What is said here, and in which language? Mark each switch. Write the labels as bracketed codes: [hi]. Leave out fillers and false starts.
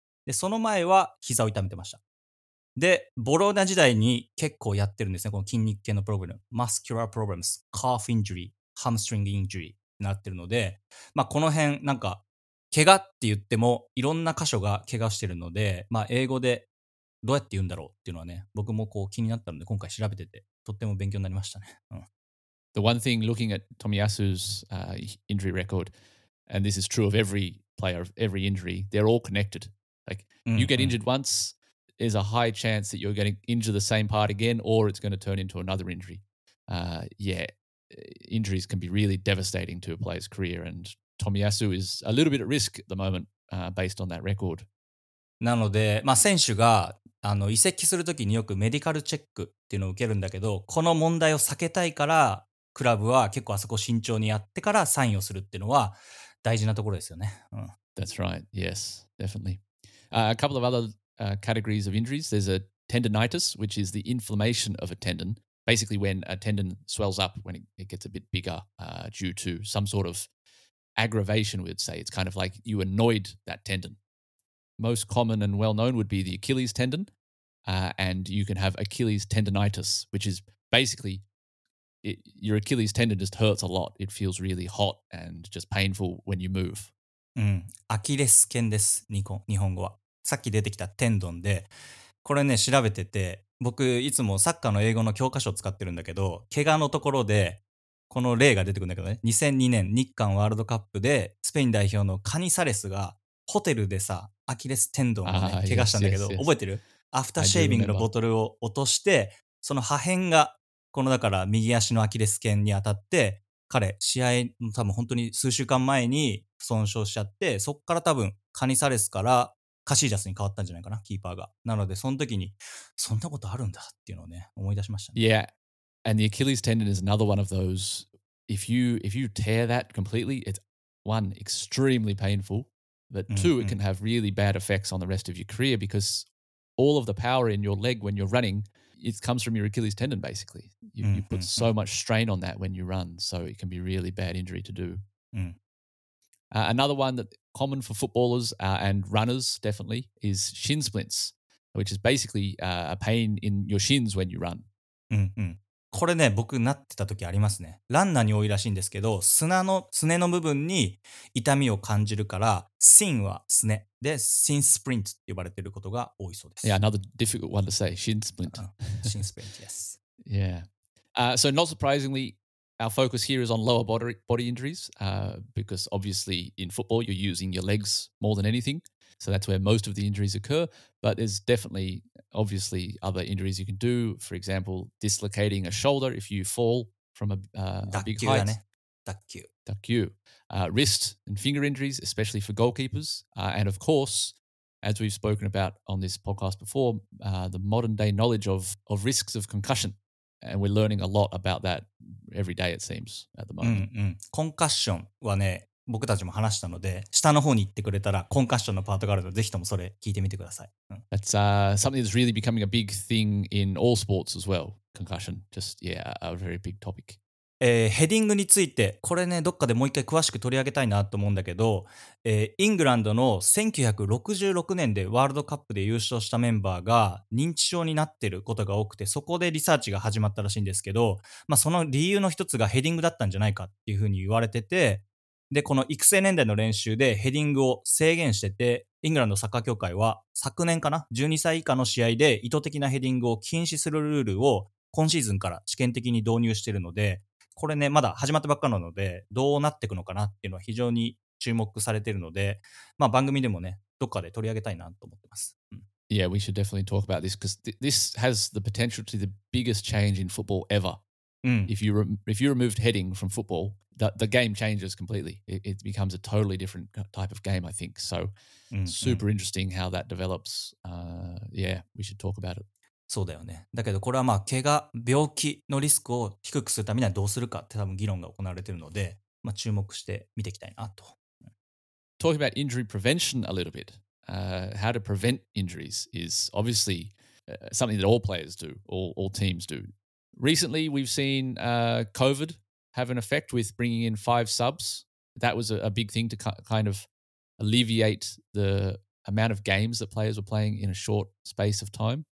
[ja] でその前は膝を痛めてました。でボローニャ時代に結構やってるんですね、この筋肉系のプログラム、マスキュラープログラムス、カーフインジュリー、ハムストリングインジュリーになってるので、まあこの辺なんか怪我って言ってもいろんな箇所が怪我してるので、まあ英語でどうやって言うんだろうっていうのはね、僕もこう気になったので今回調べててとっても勉強になりましたね。 [en] The one thing looking at Tomiyasu's、injury record, and this is true of every player, of every injury, they're all connected. Like, you get injured once, there's a high chance that you're going to injure the same part again, or it's going to turn into another injury. Yeah, injuries can be really devastating to a player's career, and Tomiyasu is a little bit at risk at the moment, based on that record. [ja] なので、まあ選手が移籍するときによくメディカルチェックっていうのを受けるんだけど、この問題を避けたいからクラブは結構あそこ慎重にやってからサインをするっていうのは大事なところですよね。 [en] That's right. Yes, definitely. A couple of other、categories of injuries. There's a tendonitis, which is the inflammation of a tendon. Basically, when a tendon swells up, when it gets a bit bigger、due to some sort of aggravation, we'd say. It's kind of like you annoyed that tendon. Most common and well known would be the Achilles tendon, and you can have Achilles tendonitis, which is basically your Achilles tendon just hurts a lot. It feels really hot and just painful when you move. [ja] アキレス腱です。日本語は。さっき出てきたテンドンで、これね調べてて、僕いつもサッカーの英語の教科書を使ってるんだけど、怪我のところでこの例が出てくるんだけどね。 2002年日韓ワールドカップでスペイン代表のカニサレスがホテルでさ、アキレステンドンを、ね、怪我したんだけど、覚えてる？アフターシェービングのボトルを落として、その破片がこのだから右足のアキレス腱に当たって、彼試合の多分本当に数週間前に損傷しちゃって、そっから多分カニサレスからカシージャスに変わったんじゃないかな、キーパーが。なのでその時にそんなことあるんだっていうのをね思い出しました、ね。 [en] Yeah, and the Achilles tendon is another one of those. If you tear that completely, it's one extremely painful. But two, it can have really bad effects on the rest of your career because all of the power in your leg when you're running, it comes from your Achilles tendon, basically. You put so much strain on that when you run, so it can be really bad injury to do. Another one that common for footballers and runners, definitely, is shin splints, which is basically a pain in your shins when you run. [ja] これね、僕なってた時ありますね。ランナーに多いらしいんですけど、砂のすねの部分に痛みを感じるから、シンはすね。で、シンスプリントって呼ばれていることが多いそうです。 [en] Yeah, another difficult one to say. [ja] シンスプリント。シンスプリント、 [en] yes. Yeah. So not surprisingly, our focus here is on lower body injuries, because obviously in football, you're using your legs more than anything. So that's where most of the injuries occur. But there's definitely... Obviously, other injuries you can do, for example, dislocating a shoulder if you fall from a big height. [ja] 脱臼だね。脱臼。 [en] Wrist and finger injuries, especially for goalkeepers. And of course, as we've spoken about on this podcast before, the modern day knowledge of risks of concussion. And we're learning a lot about that every day, it seems, at the moment. [ja] Concussion はね、僕たちも話したので下の方に行ってくれたらコンカッションのパートがあるのでぜひともそれ聞いてみてください。 [en] That's something that's really becoming a big thing in all sports as well. Concussion, just yeah, a very big topic. [ja] ヘディングについてこれねどっかでもう一回詳しく取り上げたいなと思うんだけど、イングランドの1966年でワールドカップで優勝したメンバーが認知症になってることが多くて、そこでリサーチが始まったらしいんですけど、まあ、その理由の一つがヘディングだったんじゃないかっていうふうに言われてて。で、この育成年代の練習でヘディングを制限してて、イングランドサッカー協会は昨年かな、12歳以下の試合で意図的なヘディングを禁止するルールを今シーズンから試験的に導入しているので、これね、まだ始まったばっかなので、どうなっていくのかなっていうのは非常に注目されているので、まあ番組でもね、どっかで取り上げたいなと思ってます。 [en] うん、yeah, we should definitely talk about this because this has the potential to be the biggest change in football ever.、 [ja] うん、 [en] if you removed heading from football, the game changes completely. It becomes a totally different type of game, I think. So,、うん、super interesting how that develops.、yeah, we should talk about it. [ja] そうだよね。だけどこれはまあ怪我、病気のリスクを低くするためにはどうするかって多分議論が行われているので、まあ、注目して見ていきたいなと。 [en] Talking about injury prevention a little bit,、how to prevent injuries is obviously、something that all players do, all teams do. Recently, we've seen、COVID have an effect with bringing in 5 subs. That was a big thing to kind of alleviate the amount of games that players were playing in a short space of time.